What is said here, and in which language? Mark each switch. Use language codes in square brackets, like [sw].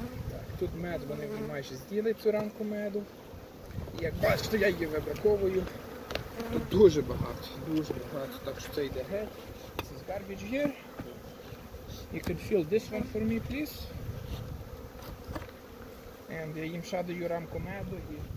[uk] Так, тут мед, вони майже з'їли цю рамку меду. І як бачите, я її вибраковую. Тут дуже багато, дуже багато, так що це йде геть. [en] This is garbage here. You can fill this one for me, please. And [uk] я їм ще даю рамку меду і...